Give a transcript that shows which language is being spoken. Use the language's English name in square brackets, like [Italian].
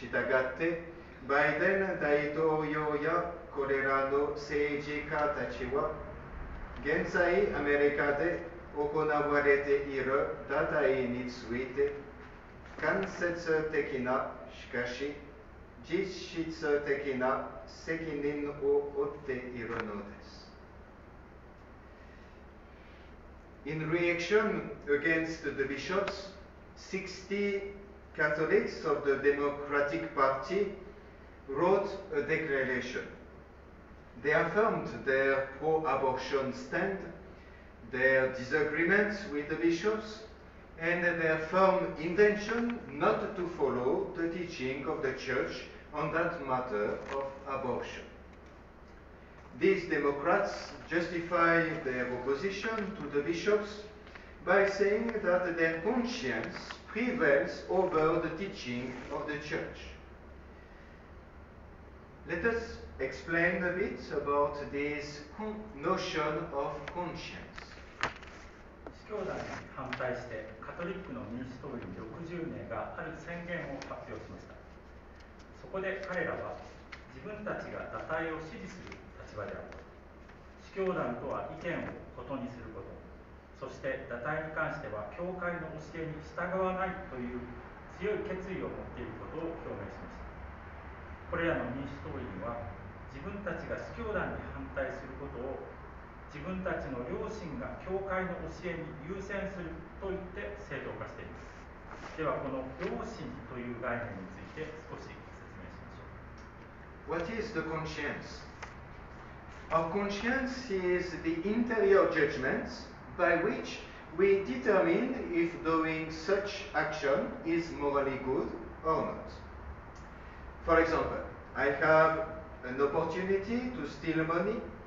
[Japanese] したがって、バイデン大統領やこれらの政治家たちは、現在アメリカで行われている堕胎について、間接的な、しかし実質的な責任を負っているのです。 [English] In reaction against the bishops, 60 Catholics of the Democratic Party wrote a declaration. They affirmed their pro-abortion stand, their disagreements with the bishops, and their firm intention not to follow the teaching of the Church on that matter of abortion. These Democrats justify their opposition to the bishops by saying that their conscience prevails over the teaching of the Church. Let us explain a bit about this notion of conscience. [Japanese] 司教団に反対してカトリックの民主党員60名がある宣言を発表しました。そこで彼らは自分たちが堕胎を支持する立場である。司教団とは意見を異にすること、そして堕胎に関しては教会の教えに従わないという強い決意を持っていることを表明しました。これらの民主党員は、自分たちが司教団に反対することを自分たちの良心が教会の教えに優先すると言って正当化しています。ではこの良心という概念について少し説明しましょう。 [English] What is the conscience? Our conscience is the interior judgment by which we determine if doing such action is morally good or not. For example, I have an opportunity to steal money.